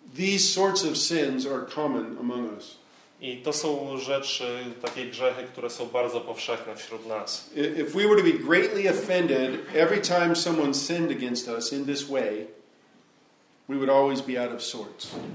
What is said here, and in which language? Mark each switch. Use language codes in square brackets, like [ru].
[en] These sorts of sins are common among us. [pl] I to są rzeczy, takie grzechy, które są bardzo powszechne wśród nas. [en] If we were to be greatly offended every time someone sinned against us in this way, we would always be out of sorts.